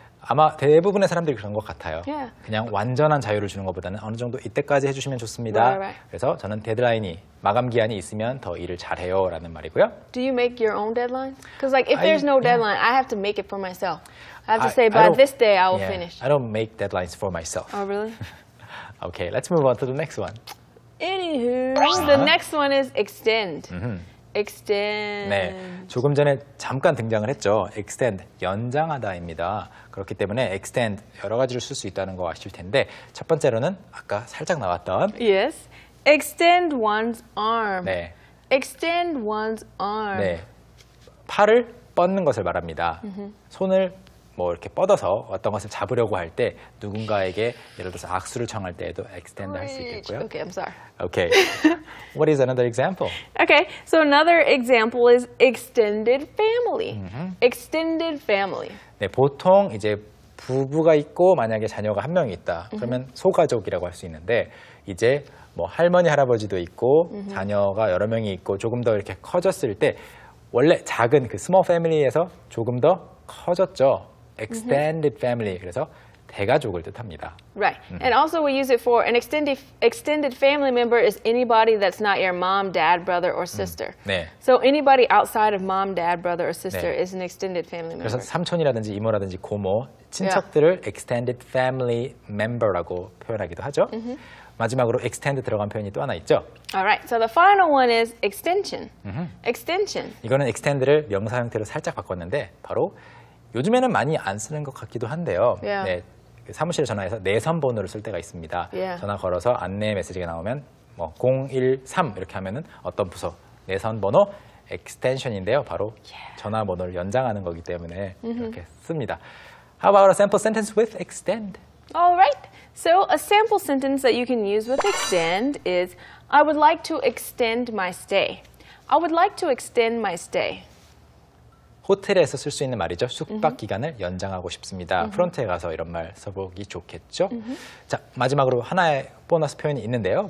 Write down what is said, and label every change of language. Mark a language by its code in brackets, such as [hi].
[ko] 아마 대부분의 사람들이 그런 것 같아요. [en] Yeah. [ko] 그냥 완전한 자유를 주는 것보다는 어느 정도 이때까지 해주시면 좋습니다. [en] Right, right. [ko] 그래서 저는 데드라인이 마감 기한이 있으면 더 일을 잘해요라는 말이고요. [en] Do you make your own deadline? Because like if there's no deadline, I have to make it for myself. I have to say by this day I will finish. I don't make deadlines for myself. Oh really? Okay, let's move on to the next one. Anywho, the next one is extend. Extend. [ko] 네, 조금 전에 잠깐 등장을 했죠. Extend, 연장하다입니다. 그렇기 때문에 extend 여러 가지를 쓸 수 있다는 거 아실 텐데 첫 번째로는 아까 살짝 나왔던 [en] Yes, extend one's arm. [ko] 네, [en] extend one's arm. [ko] 네, 팔을 뻗는 것을 말합니다. Mm-hmm. 손을 뭐 이렇게 뻗어서 어떤 것을 잡으려고 할 때 누군가에게 예를 들어서 악수를 청할 때에도 extend 할 수 있겠고요. [en] Okay, I'm sorry. Okay. What is another example? Okay, so another example is extended family. Mm-hmm. Extended family. [ko] 네, 보통 이제 부부가 있고 만약에 자녀가 한 명이 있다. 그러면 mm-hmm. 소가족이라고 할 수 있는데 이제 뭐 할머니, 할아버지도 있고 mm-hmm. 자녀가 여러 명이 있고 조금 더 이렇게 커졌을 때 원래 작은 그 small family에서 조금 더 커졌죠. Extended mm-hmm. family. 그래서 대가족을 뜻합니다. [en] Right. And also we use it for an extended family member is anybody that's not your mom, dad, brother, or sister. [ko] 네. [en] So anybody outside of mom, dad, brother, or sister [ko] 네. [en] is an extended family member. [ko] 그래서 삼촌이라든지 이모라든지 고모, 친척들을 [en] yeah. [ko] extended family member라고 표현하기도 하죠. Mm-hmm. 마지막으로 extend 들어간 표현이 또 하나 있죠. [en] Alright, so the final one is extension. Mm-hmm. Extension. [ko] 이거는 extend를 명사 형태로 살짝 바꿨는데 바로 요즘에는 많이 안 쓰는 것 같기도 한데요. [en] Yeah. [ko] 네, 사무실에 전화해서 내선번호를 쓸 때가 있습니다. [en] Yeah. [ko] 전화 걸어서 안내 메시지가 나오면 뭐 013 이렇게 하면은 어떤 부서 내선번호 extension인데요. 바로 전화번호를 연장하는 거기 때문에 mm-hmm. 이렇게 씁니다. [en] How about a sample sentence with extend? Alright. So, a sample sentence that you can use with extend is I would like to extend my stay. I would like to extend my stay. [ko] 호텔에서 쓸 수 있는 말이죠. 숙박 기간을 mm-hmm. 연장하고 싶습니다. Mm-hmm. 프론트에 가서 이런 말 써보기 좋겠죠. Mm-hmm. 자, 마지막으로 하나의 보너스 표현이 있는데요.